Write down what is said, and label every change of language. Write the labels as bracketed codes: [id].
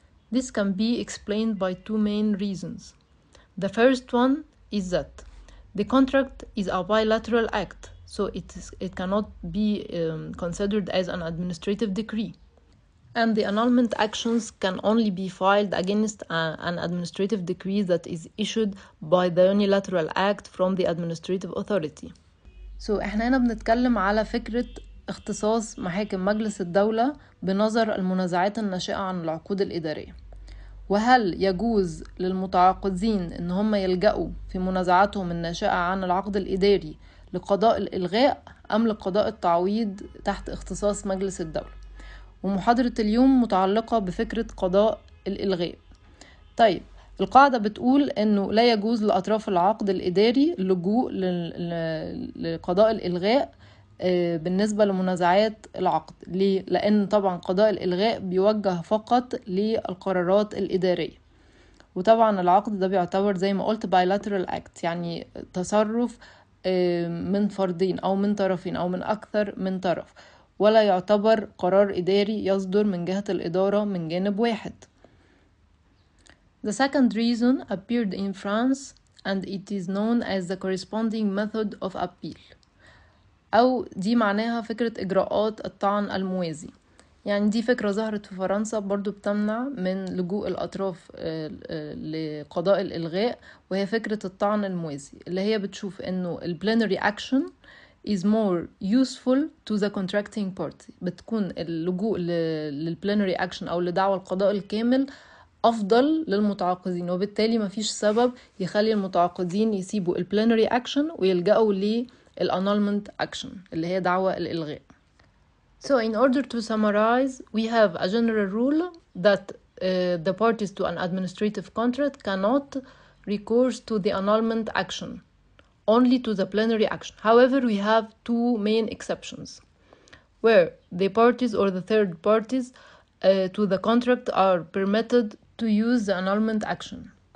[en] This can be explained by two main reasons. The first one is that the contract is a bilateral act, so it cannot be considered as an administrative decree. And the annulment actions can only be filed against an administrative decree that is issued by the unilateral act from the administrative authority. So, [ar] احنا هنا بنتكلم على فكرة اختصاص محاكم مجلس الدولة بنظر المنازعات الناشئة عن العقود الإدارية. وهل يجوز للمتعاقدين ان هم يلجأوا في منازعاتهم الناشئة عن العقد الإداري لقضاء الإلغاء ام لقضاء التعويض تحت اختصاص مجلس الدولة؟ ومحاضرة اليوم متعلقة بفكرة قضاء الإلغاء. طيب، القاعدة بتقول أنه لا يجوز لأطراف العقد الإداري اللجوء لقضاء الإلغاء بالنسبة لمنازعات العقد. ليه؟ لأن طبعاً قضاء الإلغاء بيوجه فقط للقرارات الإدارية، وطبعاً العقد ده بيعتبر زي ما قلت bilateral act، يعني تصرف من فردين أو من طرفين أو من أكثر من طرف، ولا يعتبر قرار إداري يصدر من جهة الإدارة من جانب واحد. [en] The second reason appeared in France and it is known as the corresponding method of appeal. [ar] أو دي معناها فكرة إجراءات الطعن الموازي. يعني دي فكرة ظهرت في فرنسا برضو بتمنع من لجوء الأطراف لقضاء الإلغاء، وهي فكرة الطعن الموازي اللي هي بتشوف إنه الـ [en] plenary action is more useful to the contracting party. [ar] بتكون اللجوء للplenary action أو لدعوى القضاء الكامل أفضل للمتعاقدين، وبالتالي ما فيش سبب يخلي المتعاقدين يسيبوا الplenary action ويلجأوا للannulment action اللي هي دعوى الإلغاء. [en] So in order to summarize, we have a general rule that the parties to an administrative contract cannot recourse to the annulment action, only to the plenary action. However, we have two main exceptions where the parties or the third parties to the contract are permitted to use the annulment action.